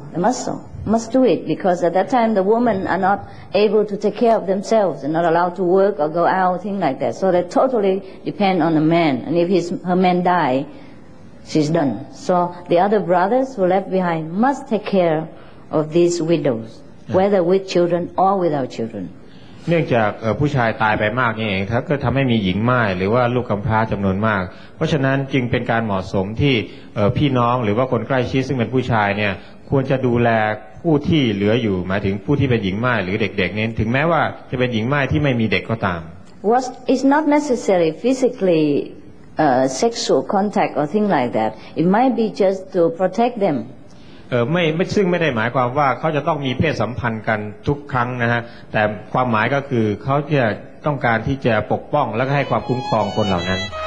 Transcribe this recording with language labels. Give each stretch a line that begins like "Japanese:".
English: They must so must do it because at that time the women are not able to take care of themselves and not allowed to work or go out, things like that. So they totally depend on the man, and if her man die, she's done. So the other brothers who left behind must take care of these widows, whether with children or without children.
Thai: เนื่องจากผู้ชายตายไปมากนี่เองครับก็ทำให้มีหญิงม่ายหรือว่าลูกกำพร้าจำนวนมากเพราะฉะนั้นจึงเป็นการเหมาะสมที่พี่น้องหรือว่าคนใกล้ชิดซึ่งเป็นผู้ชายเนี่ยควรจะดูแลผู้ที่เหลืออยู่หมายถึงผู้ที่เป็นหญิงม่ายหรือเด็กๆนี่ถึงแม้ว่าจะเป็นหญิงม่ายที่ไม่มีเด็กก็ตาม
English: What is not necessary physically sexual contact or thing like that it might be just to protect them
Thai: ไม่ซึ่งไม่ได้หมายความว่าเขาจะต้องมีเพศสัมพันธ์กันทุกครั้งนะฮะแต่ความหมายก็คือเขาจะต้องการที่จะปกป้องและให้ความคุ้มครองคนเหล่านั้น